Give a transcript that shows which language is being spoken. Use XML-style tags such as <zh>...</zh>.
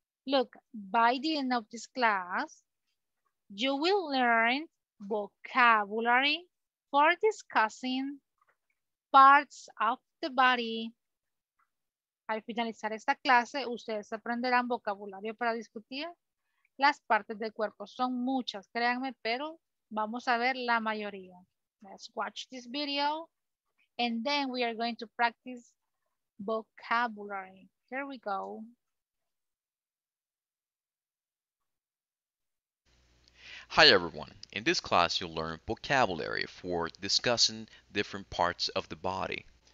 <en>Look, by the end of this class, you will learn vocabulary for discussing parts of the body.</en> <es>Al finalizar esta clase, ustedes aprenderán vocabulario para discutir las partes del cuerpo. Son muchas, créanme, pero vamos a ver la mayoría.</es> <en>Let's watch this video and then we are going to practice vocabulary. Here we go. Hi everyone. In this class, you'll learn vocabulary for discussing different parts of the body.</en>